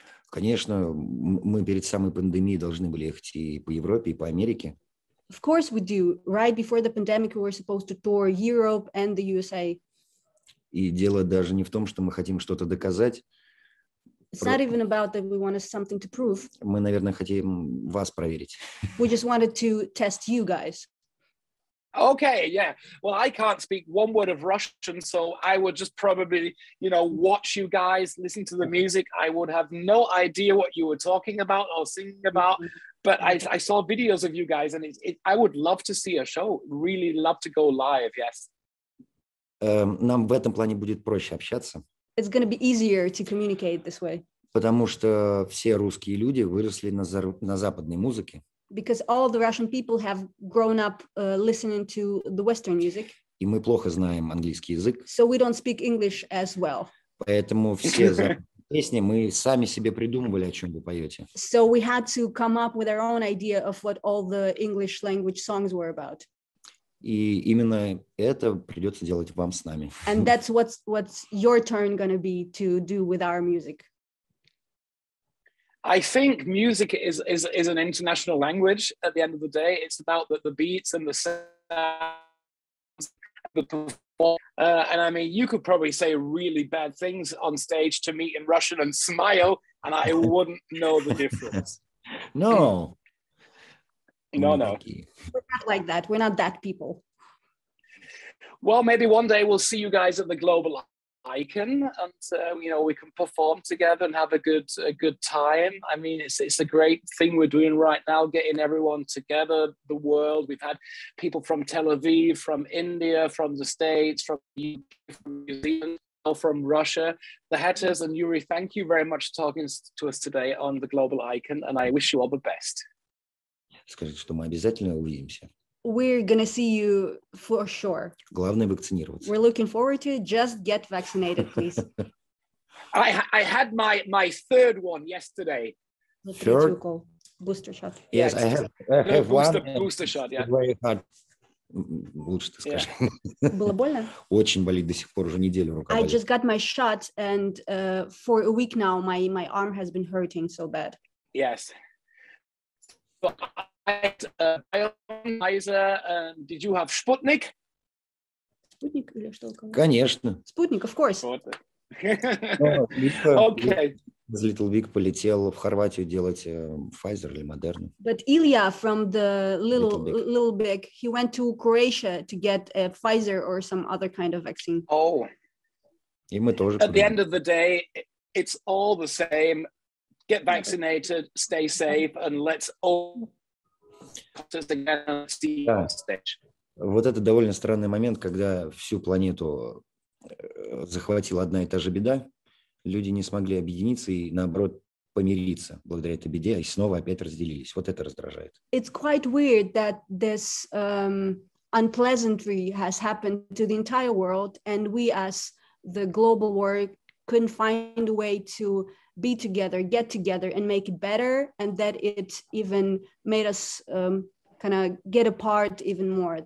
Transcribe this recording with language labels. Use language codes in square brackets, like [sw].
[ru] Конечно, мы перед самой пандемией должны были ехать и по Европе, и по Америке. [en] Of course we do. Right before the pandemic, we were supposed to tour Europe and the USA. [ru] И дело даже не в том, что мы хотим что-то доказать. [en] It's not even about that we want something to prove. [ru] Мы, наверное, хотим вас проверить. [en] We just wanted to test you guys. Okay, yeah. Well, I can't speak one word of Russian, so I would just probably, you know, watch you guys, listen to the music. I would have no idea what you were talking about or singing about. But I saw videos of you guys, and I would love to see a show. Really love to go live, yes. [ru] Нам в этом плане будет проще общаться. [en] It's going to be easier to communicate this way. [ru] Потому что все русские люди выросли на западной музыке. [en] Because all the Russian people have grown up listening to the Western music. [ru] И мы плохо знаем английский язык. [en] So we don't speak English as well. [ru] Поэтому все песни мы сами себе придумывали, о чем вы поете. [en] So we had to come up with our own idea of what all the English language songs were about. [ru] И именно это придется делать вам с нами. [en] And that's what's your turn going to be to do with our music. I think music is an international language at the end of the day. It's about the beats and the sounds, the performance. And I mean, you could probably say really bad things on stage to me in Russian and smile, and I wouldn't know the difference. No. No. We're not like that. We're not that people. Well, maybe one day we'll see you guys at the Global Icon, and you know, we can perform together and have a good time. I mean, it's a great thing we're doing right now, getting everyone together, the world. We've had people from Tel Aviv, from India, from the States, from UK, from New Zealand, from Russia, the Hatters, and Yuri. Thank you very much for talking to us today on the Global Icon, and I wish you all the best. [ru] Скажите, что мы обязательно увидимся. [en] We're gonna see you for sure. [ru] Главное вакцинироваться. [en] We're looking forward to it. Just get vaccinated, please. I had my third one yesterday. Third booster shot. Yes, I have booster one. Booster shot. Yeah. Very hard. [ru] Лучше ты скажи. Было больно? Очень болит до сих пор, уже неделю рука болит. [en] I just got my shot and for a week now my arm has been hurting so bad. Yes. Did you have Sputnik? [ru] Sputnik или что? Конечно. [en] Sputnik, of course. [ru] Okay. Из Little Big полетел в Хорватию делать Pfizer или Moderna. [en] But Ilya from the Little Big, he went to Croatia to get a Pfizer or some other kind of vaccine. Oh. [ru] И мы тоже. [en] At the end of the day, it's all the same. Get vaccinated, stay safe, and let's all just again see the stage. [ru] Вот это довольно странный момент, когда всю планету захватила одна и та же беда, люди не смогли объединиться и, наоборот, помириться благодаря этой беде, и снова опять разделились. Вот это раздражает. [en] It's quite weird that this unpleasantry has happened to the entire world, and we as the global world couldn't find a way to be together, get together, and make it better, and that it even made us kind of get apart even more.